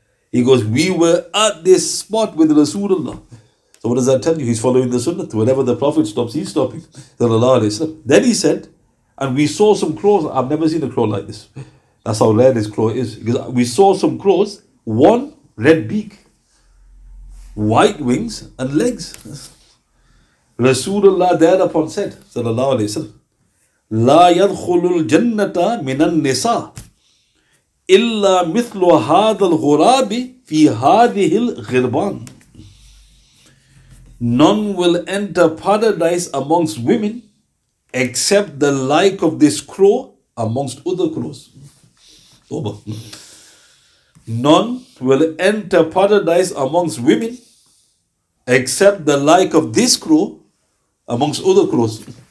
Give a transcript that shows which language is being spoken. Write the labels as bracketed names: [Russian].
[English] He goes, we were at this spot with Rasulullah. So what does that tell you? He's following the sunnah. Whenever the Prophet stops, he's stopping. Then he said, and we saw some crows. I've never seen a crow like this. That's how rare this crow is. Because we saw some crows, one red beak, white wings and legs. Rasulullah thereupon said, [Arabic] sallallahu alayhi wa sallam, لا يدخل الجنة من النساء إلا مثل هذا الغراب في هذه الغربان. [English] None will enter paradise amongst women except the like of this crow amongst other crows. None will enter paradise amongst women except the like of this crow amongst other crows.